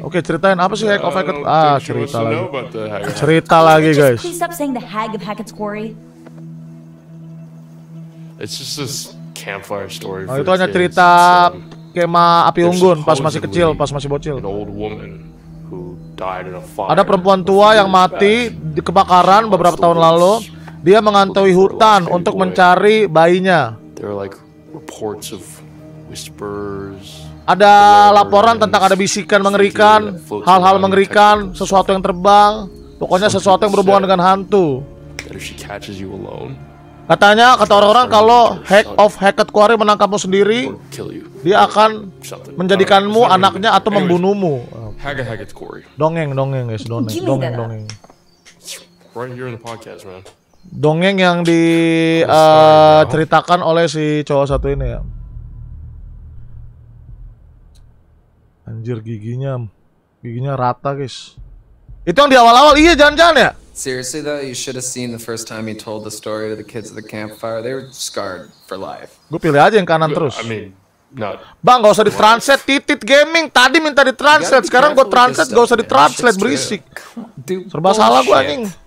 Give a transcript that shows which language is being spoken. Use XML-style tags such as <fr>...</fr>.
<id>Okay, ceritain apa sih Hack of Hackett's Quarry? Ah, cerita lagi. Cerita lagi, guys.</id> <en>Please stop saying the Hack of Hackett's Quarry. It's just this campfire story.</en> <id>Oh, itu hanya cerita kemah api unggun pas masih bocil.</id> <en>An old woman who died in a fire.</en> <id>Ada perempuan tua yang mati di kebakaran beberapa tahun lalu. Dia mengantui hutan untuk mencari bayinya.</id> <en>There are like reports of whispers.</en> <id>Ada laporan tentang ada bisikan mengerikan, hal-hal mengerikan, sesuatu yang terbang, pokoknya sesuatu yang berhubungan dengan hantu. Katanya, kata orang-orang kalau Hack of Hackett Quarry menangkapmu sendiri, dia akan menjadikanmu anaknya atau membunuhmu.</id> <en>Hack of Hackett Quarry.</en> <id>Dongeng, guys, dongeng.</id> <en>Right here in the podcast, man.</en> <id>Dongeng yang di ceritakan oleh si cowok satu ini ya. Anjir giginya rata, guys. Itu yang di awal-awal, iya jangan-jangan ya.</id> <en>Seriously though, you should have seen the first time he told the story to the kids at the campfire. They were scarred for life.</en> <id>Gue pilih aja yang kanan terus.</id> <en>I mean, not.</en> <id>Bang, enggak usah di-translate titit gaming. Tadi minta di-translate, sekarang gue translate enggak usah di-translate, berisik. Dude, serba bullshit. Salah gue anjing.</id>